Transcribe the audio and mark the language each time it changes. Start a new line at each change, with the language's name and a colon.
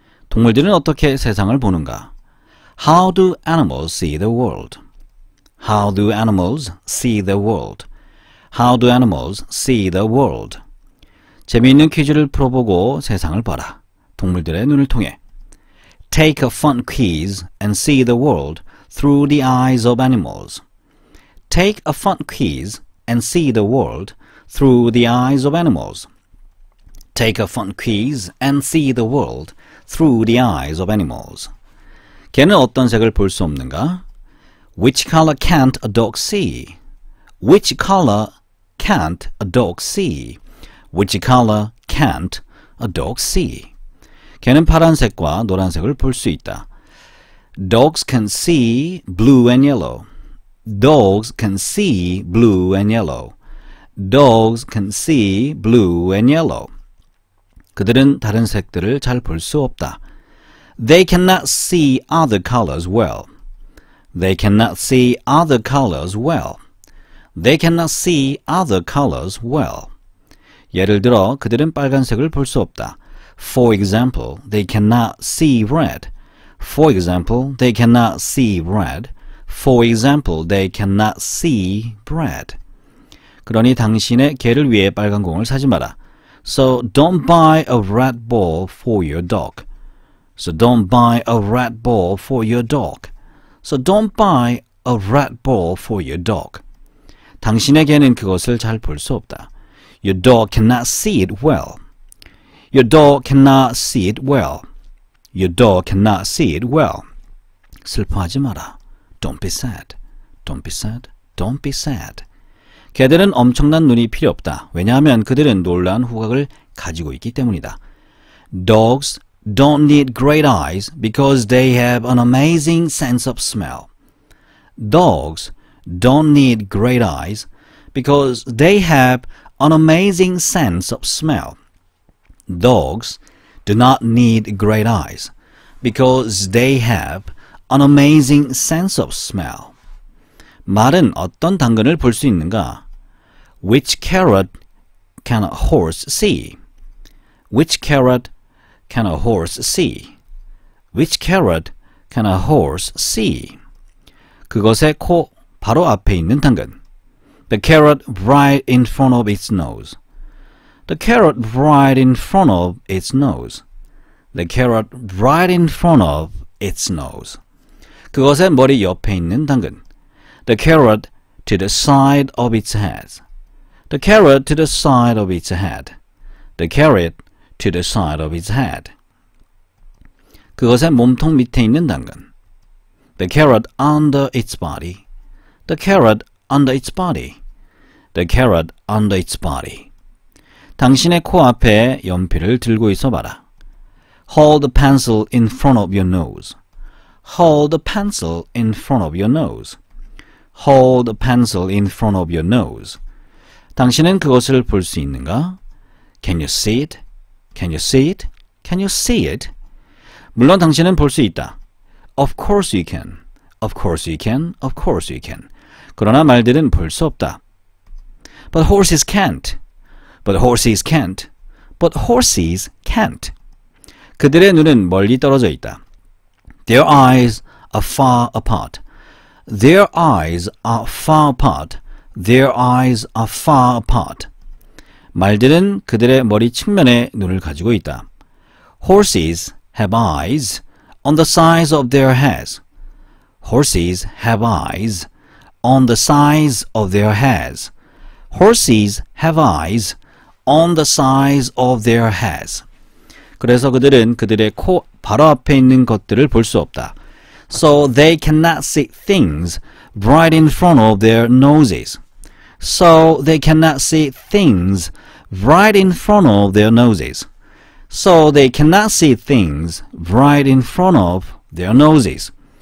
Korean: 동물들은 어떻게 세상을 보는가?
English: How do animals see the world? How do animals see the world? How do animals see the world?
Korean: 재미있는 퀴즈를 풀어보고 세상을 봐라. 동물들의 눈을 통해.
English: Take a fun quiz and see the world through the eyes of animals. Take a fun quiz and see the world through the eyes of animals. Take a fun quiz and see the world through the eyes of animals.
Korean: 개는 어떤 색을 볼 수 없는가?
English: Which color can't a dog see? Which color can't a dog see? Which color can't a dog see?
Korean: 개는 파란색과 노란색을 볼 수 있다.
English: Dogs can see blue and yellow. Dogs can see blue and yellow. Dogs can see blue and yellow.
Korean: 그들은 다른 색들을 잘 볼 수 없다.
English: They cannot see other colors well. They cannot see other colors well. They cannot see other colors well.
Korean: 예를 들어, 그들은 빨간색을 볼 수 없다.
English: For example, they cannot see red. For example, they cannot see red. For example, they cannot see red.
Korean: 그러니 당신의 개를 위해 빨간 공을 사지 마라.
English: So don't buy a red ball for your dog. So don't buy a red ball for your dog. So don't buy a red ball for your dog.
Korean: 당신의 개는 그것을 잘 볼 수 없다.
English: Your dog cannot see it well. Your dog cannot see it well. Your dog cannot see it well.
Korean: 슬퍼하지 마라.
English: Don't be sad. Don't be sad. Don't be sad.
Korean: 개들은 엄청난 눈이 필요 없다. 왜냐하면 그들은 놀라운 후각을 가지고 있기 때문이다.
English: Dogs don't need great eyes because they have an amazing sense of smell. Dogs don't need great eyes because they have an amazing sense of smell. Dogs do not need great eyes because they have an amazing sense of smell.
Korean: 말은 어떤 당근을 볼 수 있는가?
English: Which carrot can a horse see? Which carrot can a horse see? Which carrot can a horse see?
Korean: 그것의 코 바로 앞에 있는 당근.
English: The carrot right in front of its nose. The carrot right in front of its nose. The carrot right in front of its nose.
Korean: 그것의 머리 옆에 있는 당근.
English: The carrot to the side of its head. The carrot to the side of its head. The carrot to the side of its head.
Korean: 그것의 몸통 밑에 있는 당근.
English: The carrot under its body. The carrot under its body. The carrot under its body.
Korean: 당신의 코 앞에 연필을 들고 있어 봐라.
English: Hold the pencil in front of your nose. Hold the pencil in front of your nose. Hold the pencil in front of your nose.
Korean: 당신은 그것을 볼 수 있는가?
English: Can you see it? Can you see it? Can you see it?
Korean: 물론 당신은 볼 수 있다.
English: Of course you can. Of course you can. Of course you can.
Korean: 그러나 말들은 볼 수 없다.
English: But horses can't. But horses can't. But horses can't.
Korean: 그들의 눈은 멀리 떨어져 있다.
English: Their eyes are far apart. Their eyes are far apart. Their eyes are far apart.
Korean: 말들은 그들의 머리 측면에 눈을 가지고 있다.
English: Horses have eyes on the size of their heads. Horses have eyes on the size of their heads. Horses have eyes on the size of their heads.
Korean: 그래서 그들은 그들의 코 바로 앞에 있는 것들을 볼 수 없다.
English: So they cannot see things right in front of their noses. So they cannot see things right in front of their noses. So they cannot see things right in front of their noses.